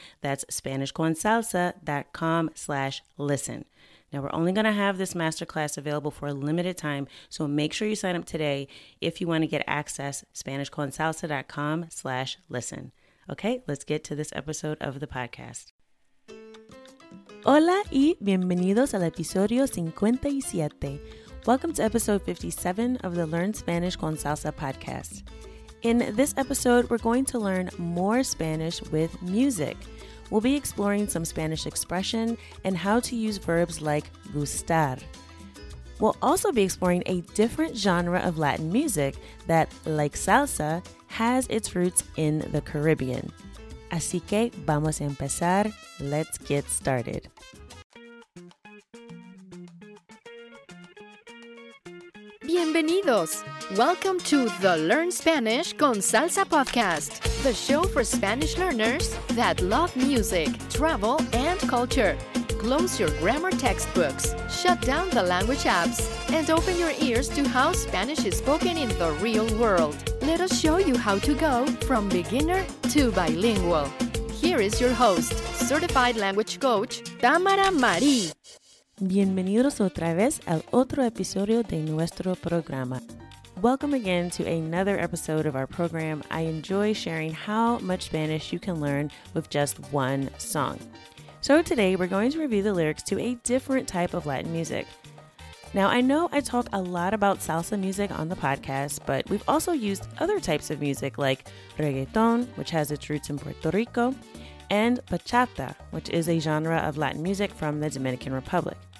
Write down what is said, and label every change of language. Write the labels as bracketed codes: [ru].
[en] That's SpanishConSalsa.com/listen. Now, we're only going to have this masterclass available for a limited time, so make sure you sign up today if you want to get access, SpanishConSalsa.com/listen. Okay, let's get to this episode of the podcast. [es] Hola y bienvenidos al episodio 57. [en] Welcome to episode 57 of the Learn Spanish con Salsa podcast. In this episode, we're going to learn more Spanish with music. We'll be exploring some Spanish expression and how to use verbs like gustar. We'll also be exploring a different genre of Latin music that, like salsa, has its roots in the Caribbean. [es] Así que vamos a empezar. [en] Let's get started. [es] Bienvenidos! [en] Welcome to the Learn Spanish con Salsa podcast, the show for Spanish learners that love music, travel, and culture. Close your grammar textbooks, shut down the language apps, and open your ears to how Spanish is spoken in the real world. Let us show you how to go from beginner to bilingual. Here is your host, certified language coach, Tamara Marie. [es] Bienvenidos otra vez al otro episodio de nuestro programa. [en] Welcome again to another episode of our program. I enjoy sharing how much Spanish you can learn with just one song. So today we're going to review the lyrics to a different type of Latin music. Now I know I talk a lot about salsa music on the podcast, but we've also used other types of music like reggaeton, which has its roots in Puerto Rico, and bachata, which is a genre of Latin music from the Dominican Republic.